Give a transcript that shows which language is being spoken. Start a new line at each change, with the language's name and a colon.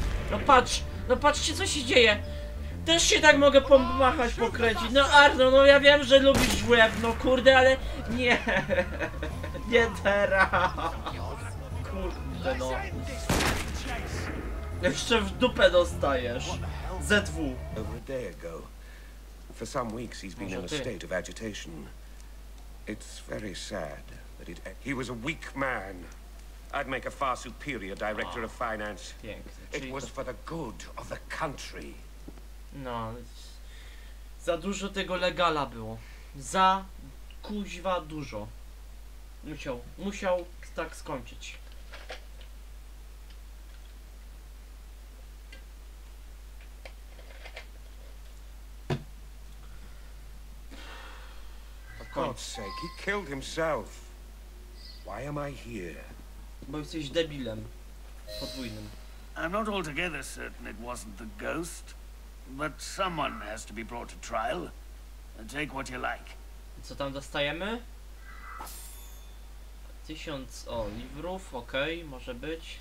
Polish: No patrz, no patrzcie co się dzieje. Też się tak mogę pomachać, pokręcić. No Arno, no ja wiem, że lubisz w łeb, no kurde, ale nie. Nie teraz. Kurde, no. Jeszcze w dupę dostajesz.
English: ZW. Over a day ago. For some weeks he's been in a state of agitation. It's very sad that it... He was a weak man. I'd make a far superior director of finance. It was for the good of the country.
Polish: No, za dużo tego legala było. Za kuźwa dużo. Musiał tak skończyć.
English: For God's sake, he killed himself. Why am I here?
Polish: Bo jesteś debilem. Podwójnym.
English: I'm not altogether certain it wasn't the ghost. But someone has to be brought to trial. Take what you like.
Polish: Co tam dostajemy? 1000 oliwrów, okej, okay, może być.